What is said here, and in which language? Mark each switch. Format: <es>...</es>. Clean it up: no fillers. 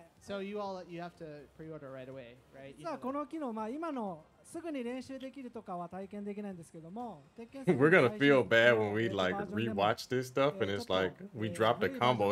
<en>So you have to pre-order right away, right?</en> <ja>さあこの機能、まあ今のすぐに練習できるとかは体験できないんですけども、</ja> <en>We're gonna feel bad when we like rewatch this stuff and it's like we dropped a combo.</en>